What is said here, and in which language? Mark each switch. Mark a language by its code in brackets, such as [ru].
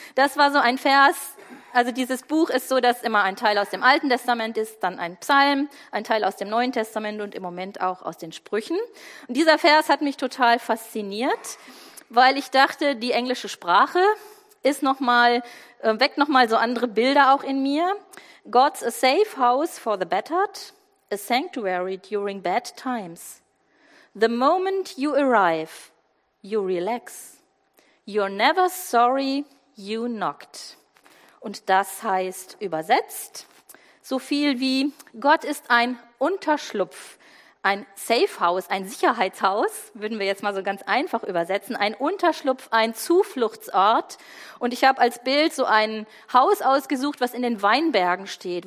[de] Das war so ein Vers. Also dieses Buch ist so, dass immer ein Teil aus dem Alten Testament ist, dann ein Psalm, ein Teil aus dem Neuen Testament und im Moment auch aus den Sprüchen. Und dieser Vers hat mich total fasziniert, weil ich dachte, die englische Sprache ist nochmal, weckt nochmal so andere Bilder auch in mir. [en] God's a safe house for the battered, a sanctuary during bad times. The moment you arrive, you relax. You're never sorry you knocked. [de] Und das heißt übersetzt so viel wie Gott ist ein Unterschlupf, ein Safe House, ein Sicherheitshaus, würden wir jetzt mal so ganz einfach übersetzen, ein Unterschlupf, ein Zufluchtsort. Und ich habe als Bild so ein Haus ausgesucht, was in den Weinbergen steht.